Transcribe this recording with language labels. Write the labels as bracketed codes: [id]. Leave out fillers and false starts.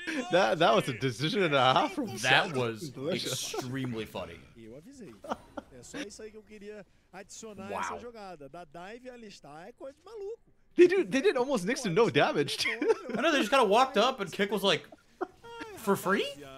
[en] That was a decision and a half from Shadow. That was extremely funny. [pt] Eu avisei. É só isso aí que eu queria adicionar a essa jogada. Da dive Alistar é coisa de maluco. [en] They did almost next to no damage. I know, they just kind of walked up and Kick was like, for free?